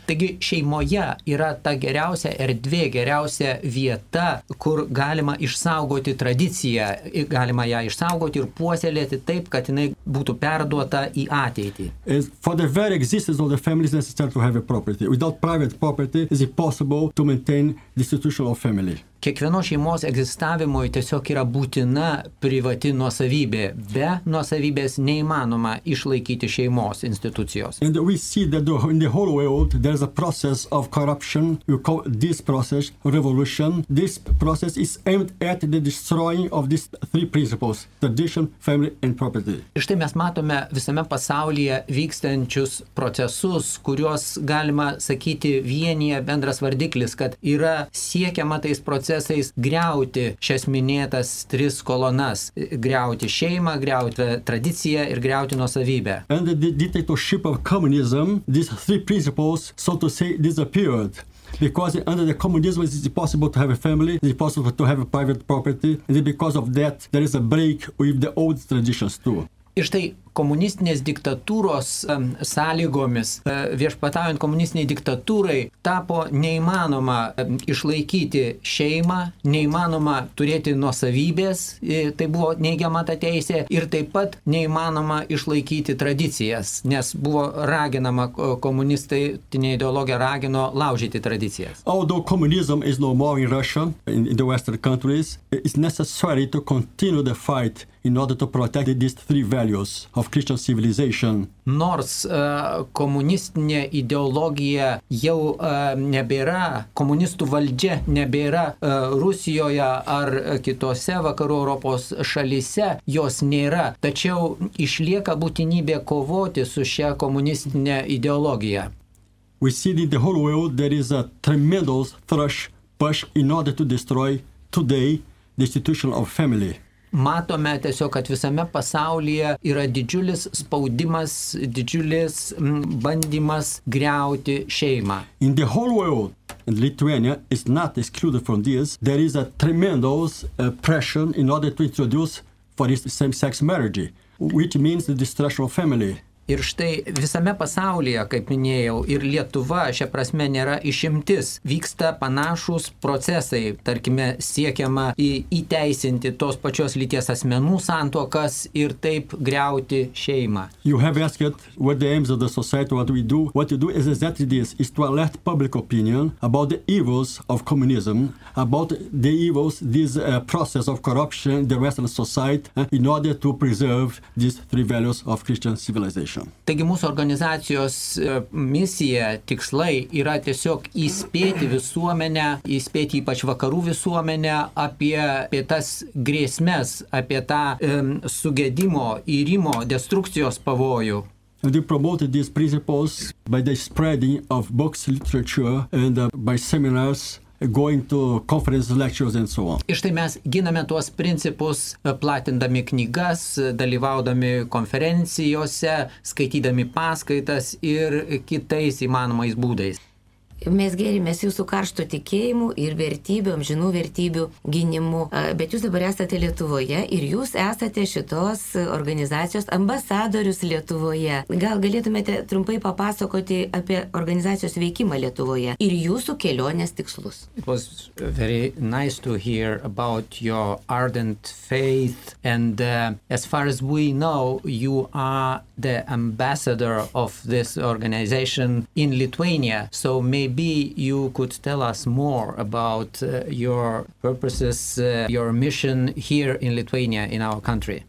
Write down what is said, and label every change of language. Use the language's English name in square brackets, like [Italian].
[Lithuanian] Taigi šeimoje yra ta geriausia erdvė, geriausia vieta, kur galima išsaugoti tradiciją, galima ją išsaugoti ir puoselėti taip, kad jinai būtų perduota į ateitį. [English] And for the very existence of the family is necessary to have a property. Without private property is impossible to maintain the institution of family. [Lithuanian] Kiekvienos šeimos egzistavimui tiesiog yra būtina privati nuosavybė. Be nuosavybės neįmanoma išlaikyti šeimos institucijos. [English] And we see that in the whole world there is a process of corruption. We call this process revolution. This process is aimed at the destroying of these three principles: tradition, family and property. [Lithuanian] Štai mes matome visame pasaulyje vykstančius procesus, kuriuos galima sakyti vienyje bendras vardiklis, kad yra siekiama tais procesais griauti šias minėtas tris kolonas, griauti šeimą, griauti tradiciją ir griauti nuosavybę. [English] And the dictatorship of communism, these three principles, so to say, disappeared. Because under the communism it is impossible to have a family, it is impossible to have a private property, and because of that there is a break with the old traditions too. [Lithuanian] Ir štai komunistinės diktatūros sąlygomis, viešpataujant komunistiniai diktatūrai, tapo neįmanoma išlaikyti šeimą, neįmanoma turėti nuosavybės, tai buvo neigiama ta teisė, ir taip pat neįmanoma išlaikyti tradicijas, nes buvo raginama, komunistinė ideologija ragino laužyti tradicijas. [English] Although communism is no more in Russia, in the Western countries, it's necessary to continue the fight in order to protect these three values of Christian civilization. [Lithuanian] Nors komunistinė ideologija jau nebėra, komunistų valdžia nebėra Rusijoje ar kitose vakarų Europos šalyse, jos nėra. Tačiau išlieka būtinybė kovoti su šia komunistinė ideologija. [English] We see that in the whole world there is a tremendous thrush push in order to destroy today the institution of family. [Lithuanian] Matome tiesiog, kad visame pasaulyje yra didžiulis spaudimas, didžiulis bandymas griauti šeimą. [English] In the whole world, and Lithuania is not excluded from this, there is a tremendous pressure in order to introduce for this same-sex marriage, which means the destruction of family. [Lithuanian] Ir štai visame pasaulyje, kaip minėjau, ir Lietuva šia prasme nėra išimtis. Vyksta panašūs procesai, tarkime, siekiama įteisinti tos pačios lyties asmenų santuokas ir taip griauti šeimą. [English] You have asked what the aims of the society, what we do. What you do is exactly this, is to alert public opinion about the evils of communism, about the evils, this process of corruption in the Western society, in order to preserve these three values of Christian civilization. [Lithuanian] Taigi mūsų organizacijos misija, tikslai yra tiesiog įspėti visuomenę, įspėti ypač vakarų visuomenę apie tas grėsmes, apie tą sugedimo, įrimo, destrukcijos pavojų. [English] And they promoted these principles by the spreading of books, literature and by seminars, going to conferences, lectures and so on. [Lithuanian] Ir štai mes giname tuos principus, platindami knygas, dalyvaudami konferencijose, skaitydami paskaitas ir kitais įmanomais būdais. Mes gėrimės jūsų karšto tikėjimų ir vertybių, amžinų vertybių gynimų, bet jūs dabar esate Lietuvoje ir jūs esate šitos organizacijos ambasadorius Lietuvoje. Gal galėtumėte trumpai papasakoti apie organizacijos veikimą Lietuvoje ir jūsų kelionės tikslus? [English] It was very nice to hear about your ardent faith and as far as we know, you are the ambassador of this organization in Lithuania, so maybe you could tell us more about your purposes, your mission here in Lithuania, in our country.